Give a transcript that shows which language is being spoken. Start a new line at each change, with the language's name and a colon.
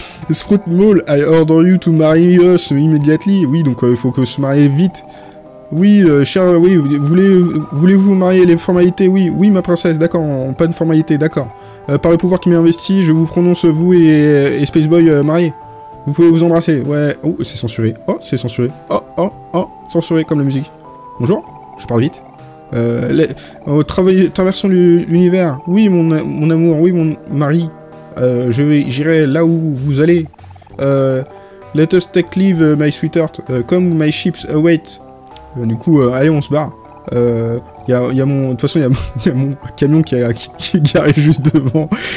English: Sprout Mole, I order you to marry us immediately.
French: Oui, donc il faut que se marier vite. Oui, cher, oui, voulez-vous marier les formalités? Oui, oui, ma princesse, d'accord, pas de formalité, d'accord. Par le pouvoir qui m'est investi, je vous prononce vous et Spaceboy mariés. Vous pouvez vous embrasser, ouais. Oh, c'est censuré. Oh, c'est censuré. Oh, censuré comme la musique. Bonjour, je parle vite. Traversons l'univers. Oui, mon amour, oui, mon mari. J'irai là où vous allez.
English: Let us take leave, my sweetheart. Come, my ships await.
French: Allez, on se barre. De toute façon, il y a mon camion qui est garé juste devant.